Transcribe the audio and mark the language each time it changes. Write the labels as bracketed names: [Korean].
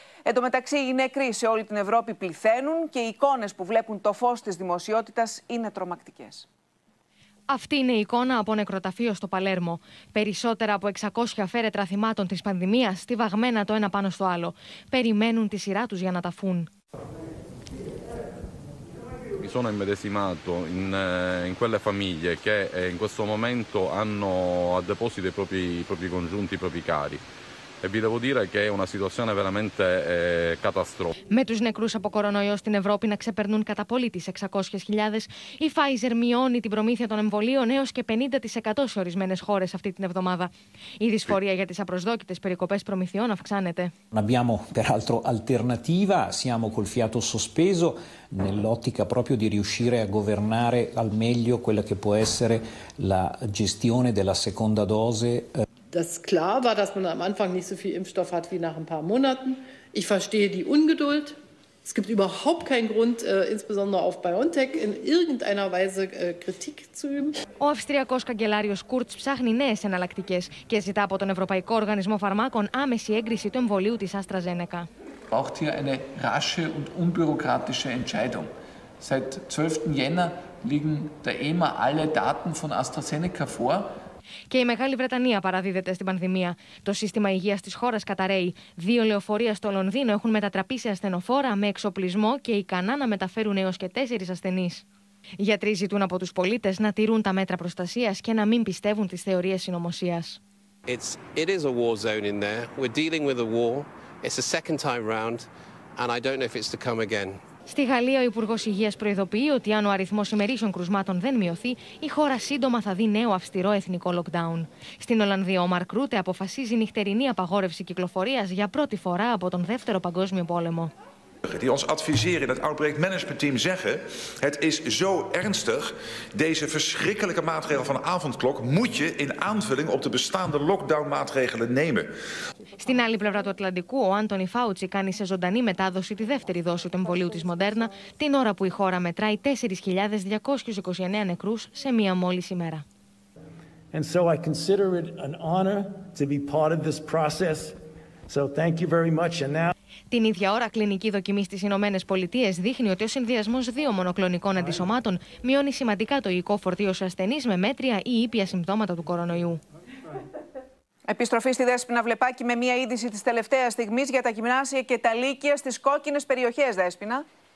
[Greek] Εν τω μεταξύ, οι νεκροί σε όλη την Ευρώπη πληθαίνουν και οι εικόνες που βλέπουν το φως της δημοσιότητας είναι τρομακτικές. Αυτή είναι η εικόνα από νεκροταφείο στο Παλέρμο. Περισσότερα από 600 φέρετρα θυμάτων της πανδημίας, στιβαγμένα το ένα πάνω στο άλλο. Περιμένουν τη σειρά τους για να ταφούν. [Italian] Mi sono immedesimato in quelle famiglie che in questo momento hanno a deposito i propri congiunti, i propri cari. E vi devo dire che è una situazione veramente catastrofica. [Greek] Με τους νεκρούς από κορονοϊό στην Ευρώπη να ξεπερνούν κατά πολύ τις 600.000, η Pfizer μειώνει την προμήθεια των εμβολίων έως και 50% σε ορισμένες χώρες αυτή την εβδομάδα. Η δυσφορία για τις απροσδόκητες περικοπές προμηθειών αυξάνεται. [Italian] Non abbiamo peraltro alternativa, siamo col fiato sospeso nell'ottica proprio di riuscire a governare al meglio quella che può essere la gestione della seconda dose. [German] Dass klar war, dass man am Anfang nicht so viel Impfstoff hat wie nach ein paar Monaten. Ich verstehe die Ungeduld. Es gibt überhaupt keinen Grund, insbesondere auf BioNTech, in irgendeiner Weise Kritik zu üben. [Greek] Ο αυστριακός καγκελάριος Κούρτς ψάχνει νέες εναλλακτικές και ζητά από τον Ευρωπαϊκό Οργανισμό Φαρμάκων άμεση έγκριση του εμβολίου της AstraZeneca. [German] Braucht hier eine rasche und unbürokratische Entscheidung. Seit 12. Jänner liegen der EMA alle Daten von AstraZeneca vor. [Greek] Και η Μεγάλη Βρετανία παραδίδεται στην πανδημία. Το σύστημα υγείας της χώρας καταραίει. Δύο λεωφορεία στο Λονδίνο έχουν μετατραπεί σε ασθενοφόρα με εξοπλισμό και ικανά να μεταφέρουν έως και 4 ασθενείς. Γιατροί ζητούν από τους πολίτες να τηρούν τα μέτρα προστασίας και να μην πιστεύουν τις θεωρίες συνωμοσίας. [English] It is a war zone in there. We're dealing with a war. It's the second time round and I don't know if it's to come again. [Greek] Στη Γαλλία, ο Υπουργός Υγείας προειδοποιεί ότι αν ο αριθμός ημερήσεων κρουσμάτων δεν μειωθεί, η χώρα σύντομα θα δει νέο αυστηρό εθνικό lockdown. Στην Ολλανδία, ο Μαρκ Ρούτε αποφασίζει νυχτερινή απαγόρευση κυκλοφορίας για πρώτη φορά από τον Δεύτερο Παγκόσμιο Πόλεμο. [Dutch] deskundigen die ons adviseren in het outbreak management team zeggen: het is zo ernstig, deze verschrikkelijke maatregel van de avondklok moet je in aanvulling op de bestaande lockdown maatregelen nemen. [Greek] Στην άλλη πλευρά του Ατλαντικού, ο Άντονι Φάουτσι κάνει σε ζωντανή μετάδοση τη δεύτερη δόση του εμβολίου της Moderna, την ώρα που η χώρα μετράει 4.229 νεκρούς σε μία μόλι ημέρα. [English] And so I consider it an honor to be part of this process. So thank you very much. And now... [Greek] Την ίδια ώρα, κλινική δοκιμή στις Ηνωμένες Πολιτείες δείχνει ότι ο συνδυασμός δύο μονοκλωνικών αντισωμάτων μειώνει σημαντικά το υλικό φορτίο σε ασθενείς με μέτρια ή ήπια συμπτώματα του κορονοϊού. Επιστροφή στη Δέσποινα Βλεπάκη με μία είδηση της τελευταίας στιγμής για τα γυμνάσια και τα λύκεια στις κόκκινες περιοχές, Δέσποινα.